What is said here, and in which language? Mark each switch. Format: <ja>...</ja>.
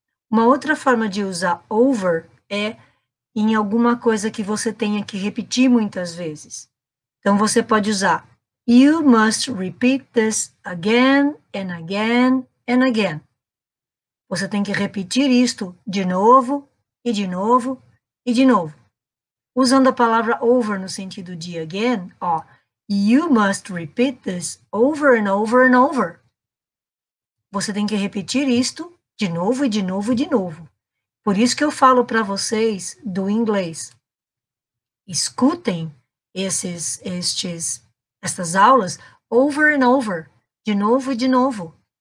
<pt>Uma outra forma de usar over é em alguma coisa que você tenha que repetir muitas vezes. Então, você pode usar</pt> <en>You must repeat this again and again and again.</en> <pt>Você tem que repetir isto de novo e de novo e de novo. Usando a palavra over no sentido de again, ó.</pt> <en>You must repeat this over and over and over.</en> <pt>Você tem que repetir isto de novo e de novo e de novo. Por isso que eu falo para vocês do inglês. Escutem estas aulas</pt> <en>over and over,</en> <pt>de novo e de novo.</pt>